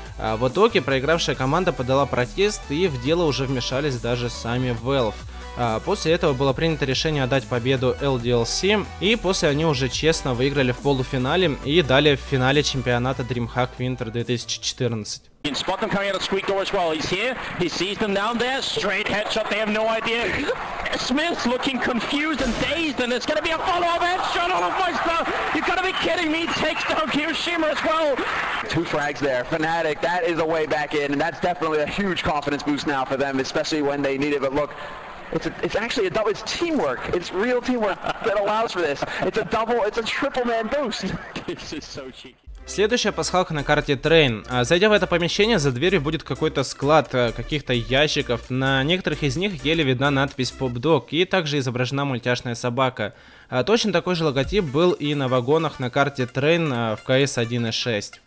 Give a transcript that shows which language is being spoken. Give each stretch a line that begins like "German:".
Russian: В итоге проигравшая команда подала протест, и в дело уже вмешались даже сами Valve. После этого было принято решение отдать победу LDLC, и после они уже честно выиграли в полуфинале и далее в финале чемпионата DreamHack Winter 2014.
English: Spot them coming out of squeak door as well. He's here. He sees them down there. Straight headshot. They have no idea. Smith's looking confused and dazed, and it's going to be a follow-up headshot on a Meister. You've got to be kidding me. Takes down Kirishima as well. Two frags there. Fnatic, that is a way back in, and that's definitely a huge confidence boost now for them, especially when they need it. But look, it's teamwork. It's real teamwork that allows for this. It's a triple man boost. This is so cheeky.
Russian: Следующая пасхалка на карте Train. Зайдя в это помещение, за дверью будет какой-то склад каких-то ящиков. На некоторых из них еле видна надпись «Pop-Dog» и также изображена мультяшная собака. Точно такой же логотип был и на вагонах на карте Train в CS 1.6.